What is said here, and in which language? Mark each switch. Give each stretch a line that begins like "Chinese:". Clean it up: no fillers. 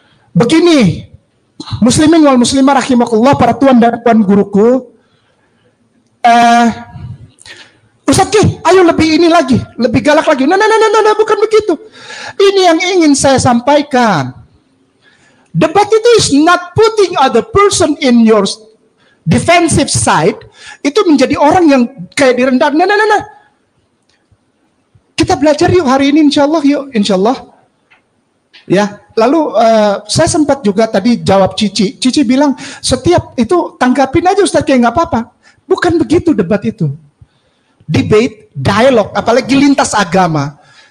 Indonesian: Begini, muslimin wal muslimah rahimahullah, para tuan dan puan guruku, Ustaz Kih, ayo lebih ini lagi, lebih galak lagi. Nah, bukan begitu. Ini yang ingin saya sampaikan. Debat itu
English: is not putting other person in your defensive side.
Indonesian: Itu menjadi orang yang kayak direndah. Nah. Kita belajar yuk hari ini, insyaallah yuk, insyaallah. Ya, lalu saya sempat juga tadi jawab Cici. Cici bilang, setiap itu tanggapin aja Ustaz Kih, gak apa-apa. Bukan begitu debat itu. Debate, dialog, apalagi lintas agama.